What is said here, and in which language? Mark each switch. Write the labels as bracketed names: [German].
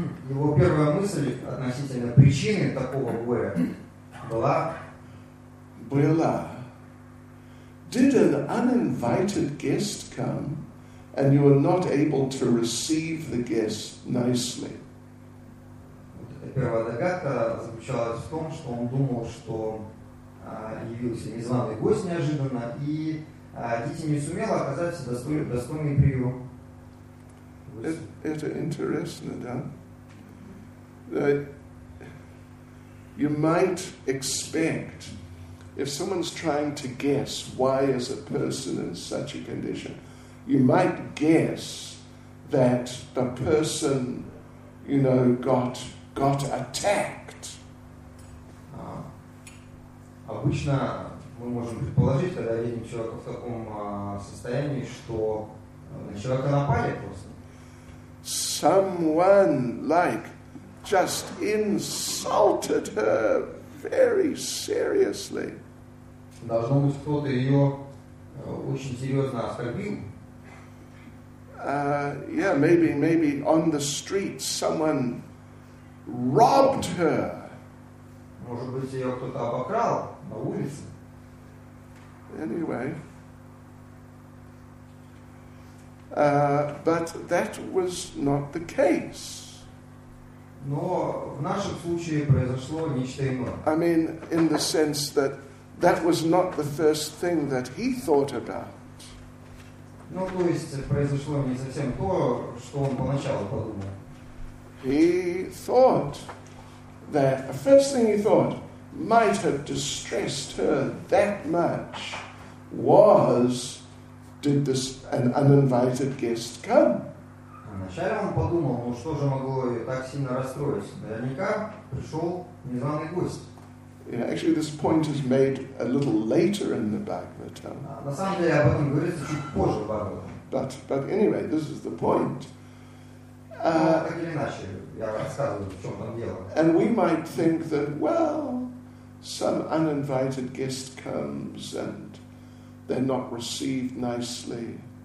[Russian] Его первая мысль относительно причины такого горя была? Была. [English] Did an uninvited guest come, and you were not able to receive the guest nicely? [Russian] Первая догадка заключалась в том, что он думал, что явился незваный гость неожиданно, и Дити не сумела оказать достойный прием. Это интересно, да? [English] You might expect, if someone's trying to guess why is a person in such a condition, you might guess that the person, you know, got attacked. [Russian] Обычно мы можем предположить, когда видим человека в таком состоянии, что на человека напали просто. [English] Someone like just insulted her very seriously. [Russian] Должно быть, кто-то ее очень серьезно оскорбил. [English] Yeah, maybe on the street someone robbed her. [Russian] Может быть, ее кто-то обокрал на улице. [English] Anyway, But that was not the case. [Russian] Но в нашем случае произошло нечто иное. [English] I mean, in the sense that that was not the first thing that he thought about. [Russian] Ну, то есть произошло не совсем то, что он поначалу подумал. [English] He thought that the first thing he thought might have distressed her that much was, did this an uninvited guest come? [Russian] Вначале он подумал, ну что же могло ее так сильно расстроить? Наверняка пришел незваный гость. [English] Yeah, actually, this point is made a little later in the Bhagavatam. [Russian] На самом деле об этом говорится чуть позже в Бхагаватаме. [English] But anyway, this is the point. [Russian] Так или иначе, я рассказываю, в чем там дело. [English] And we might think that, well, some uninvited guest comes and they're not received nicely.